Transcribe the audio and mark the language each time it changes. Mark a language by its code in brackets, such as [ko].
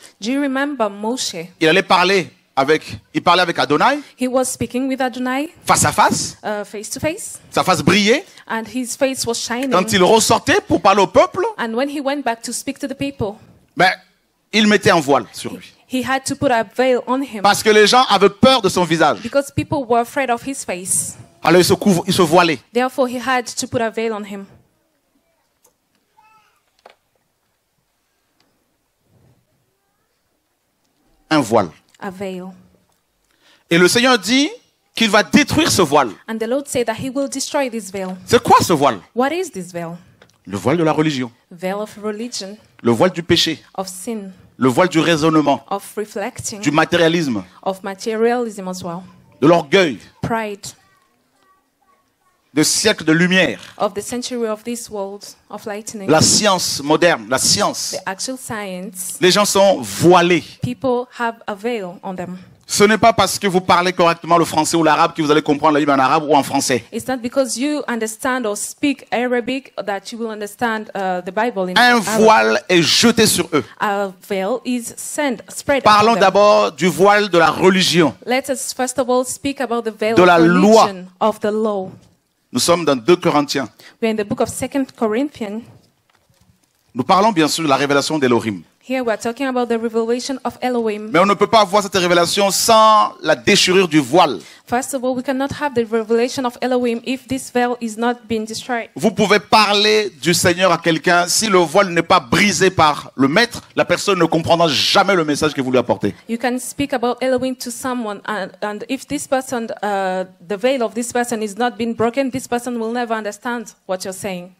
[en] Do you remember Moshe? [fr] Il allait parler avec, il parlait avec Adonai. [en] He was speaking with Adonai. [fr] Face à face. [en] Face to face. [fr] Sa face brillait. [en] And his face was shining. [fr] Quand il ressortait pour parler au peuple. [en] And when he went back to speak to the people. [fr] Ben, il mettait un voile sur lui. [en] He had to put a veil on him. [fr] Parce que les gens avaient peur de son visage. [en] Because people were afraid of his face. [fr] Alors il se voilait. [en] Therefore, he had to put a veil on him. [fr] Un voile. [en] A veil. [fr] Et le Seigneur dit qu'il va détruire ce voile. [en] And the Lord said that he will destroy this veil. [fr] C'est quoi ce voile? [en] What is this veil? [fr] Le voile de la religion. [en] Veil of religion. [fr] Le voile du péché. [en] Of sin. [fr] Le voile du raisonnement. [en] Of reflecting. [fr] Du matérialisme. [en] Of materialism as well. [fr] De l'orgueil. [en] Pride. [fr] De siècles de lumière. [en] Of the century of this world of lightning. [fr] La science moderne, la science. [en] The actual science. [fr] Les gens sont voilés. [en] People have a veil on them. [fr] Ce n'est pas parce que vous parlez correctement le français ou l'arabe que vous allez comprendre la Bible en arabe ou en français. [en] It's not because you understand or speak Arabic that you will understand the Bible in [fr] Arabic. Un voile est jeté sur eux. [en] A veil is sent, spread. [fr] Parlons d'abord du voile de la religion. [en] Let us first of all speak about the veil [fr] de la loi. [en] Of the law. [fr] Nous sommes dans 2 Corinthiens. [en] We are in the book of 2 Corinthians. [fr] Nous parlons bien sûr de la révélation d'Elohim. [en] Here we are talking about the revelation of Elohim. [fr] Mais on ne peut pas avoir cette révélation sans la déchirure du voile. [en] First of all, we cannot have the revelation of Elohim if this veil is not being destroyed. [fr] Vous pouvez parler du Seigneur à quelqu'un si le voile n'est pas brisé par le maître, la personne ne comprendra jamais le message que vous lui apportez. [en] You can speak about Elohim to someone and if this person the veil of this person is not being broken, this person will never understand what you're saying.